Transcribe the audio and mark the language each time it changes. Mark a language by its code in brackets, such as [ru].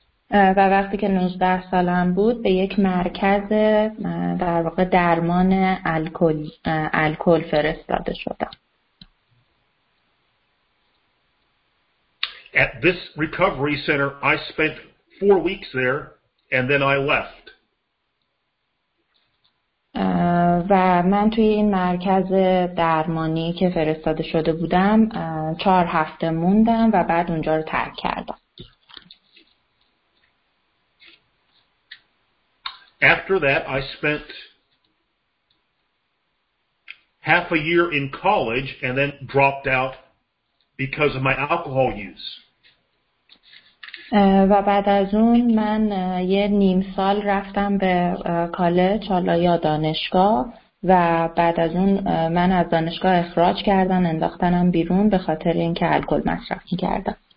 [fa] و وقتی که 19 سالم بود به یک مرکز در واقع درمان الکل فرستاده شدم. [en] At this recovery center, I spent 4 weeks there and then I left. [fa] و من توی این مرکز درمانی که فرستاده شده بودم 4 هفته موندم و بعد اونجا رو ترک کردم. [en] After that, I spent half a year in college and then dropped out because of my alcohol use. [fa] و بعد از اون من یه نیم سال رفتم به کالج حالا یا دانشگاه و بعد از اون من از دانشگاه اخراج کردن انداختنم بیرون به خاطر اینکه الکل مصرف می‌کردم.